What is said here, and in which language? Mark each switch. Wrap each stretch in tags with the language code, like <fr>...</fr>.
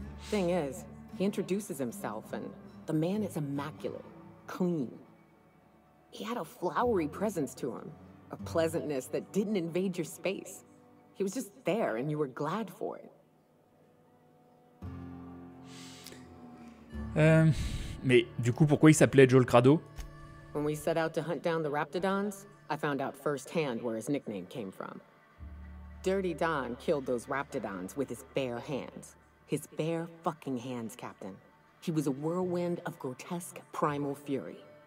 <en>Thing is, he introduces himself and the man is immaculate, clean. He had a flowery presence to him, a pleasantness that didn't invade your space. He was just there and you were glad for it.</en> <fr>Mais du coup, pourquoi il s'appelait Joel Crado?</fr> <en>When we set out to hunt down the Raptodons, I found out firsthand where his nickname came from. Dirty Don killed those Raptodons with his bare hands. His bare fucking hands, Captain. He was a whirlwind of grotesque primal fury.</en>